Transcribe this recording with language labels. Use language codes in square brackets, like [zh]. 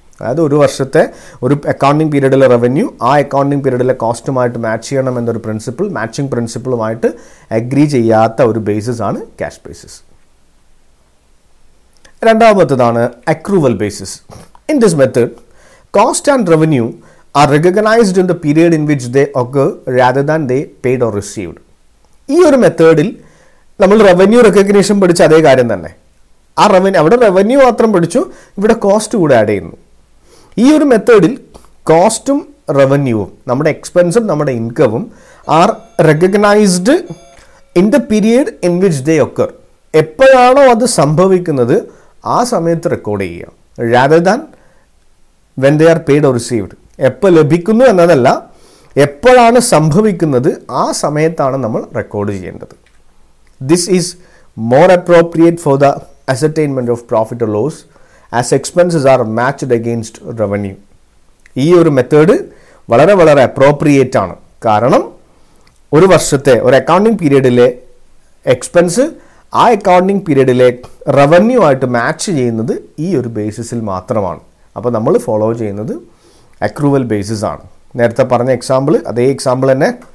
[ml] അതായത് ഒരു വർഷത്തെ ഒരു അക്കൗണ്ടിങ് പീരീഡിലെ റവന്യൂ ആ അക്കൗണ്ടിങ് പീരീഡിലെ കോസ്റ്റുമായിട്ട് മാച്ച് ചെയ്യണം എന്നൊരു പ്രിൻസിപ്പിൾ, മാച്ചിങ് പ്രിൻസിപ്പിളുമായിട്ട് അഗ്രി ചെയ്യാത്ത ഒരു ബേസിസ് ആണ് cash basis. [en] രണ്ടാമത്തേതാണ് accrual basis. In this method cost and revenue are recognized in the period in which they occur rather than they paid or received. [ml] ഈ ഒരു മെത്തേഡിൽ നമ്മൾ revenue recognition പഠിച്ച അതേ കാര്യം തന്നെ. ആ റവന്യൂ അവിടെ റവന്യൂ മാത്രം പഠിച്ചു, ഇവിടെ കോസ്റ്റ് കൂടെ ആഡ് ചെയ്യുന്നു. ഈ ഒരു മെത്തേഡിൽ കോസ്റ്റും റവന്യൂവും നമ്മുടെ എക്സ്പെൻസും നമ്മുടെ ഇൻകവും [en] Are recognised in the period in which they occur. [ml] എപ്പോഴാണോ അത് സംഭവിക്കുന്നത് ആ സമയത്ത് റെക്കോർഡ് ചെയ്യുക, [en] Rather than when they are paid or received. [ml] എപ്പോൾ ലഭിക്കുന്നു എന്നതല്ല, എപ്പോഴാണ് സംഭവിക്കുന്നത് ആ സമയത്താണ് നമ്മൾ റെക്കോർഡ് ചെയ്യേണ്ടത്. [en] This is more appropriate for the ascertainment of profit or loss as expenses are matched against revenue. [ml] ഈ ഒരു മെത്തേഡ് വളരെ വളരെ അപ്രോപ്രിയേറ്റ് ആണ്. കാരണം ഒരു വർഷത്തെ ഒരു അക്കൗണ്ടിങ് പീരീഡിലെ എക്സ്പെൻസ് ആ അക്കൗണ്ടിങ് പീരീഡിലെ റവന്യൂ ആയിട്ട് മാച്ച് ചെയ്യുന്നത് ഈ ഒരു ബേസിസിൽ മാത്രമാണ്. അപ്പോൾ നമ്മൾ ഫോളോ ചെയ്യുന്നത് അക്രൂവൽ ബേസിസ് ആണ്. നേരത്തെ പറഞ്ഞ എക്സാമ്പിൾ അതേ എക്സാമ്പിൾ തന്നെ.